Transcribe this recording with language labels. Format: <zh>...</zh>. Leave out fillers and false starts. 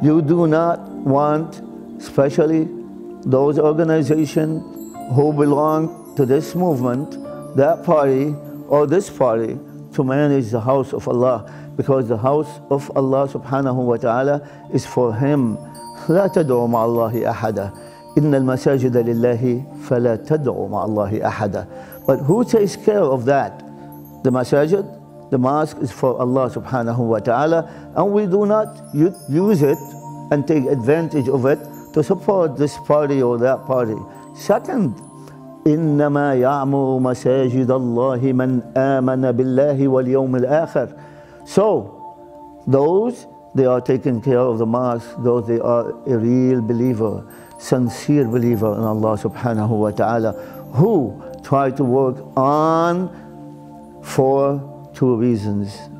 <en>You do not want, especially those organizations who belong to this movement, that party, or this party, to manage the house of Allah, because the house of Allah subhanahu wa ta'ala is for him.</en> <ar>لا تدعوا مع الله أحدا إن المساجد لله فلا تدعوا مع الله أحدا.</ar> <en>But who takes care of that? The masajid, the mosque, is for Allah subhanahu wa ta'ala, and we do not use it and take advantage of it to support this party or that party. Second,</en> <ar>إنما يعمر مساجد الله من آمن بالله واليوم الآخر.</ar> <en>So, those they are taking care of the mosque, those they are a real believer, sincere believer in Allah subhanahu wa ta'ala, who try to work on for two reasons.</en>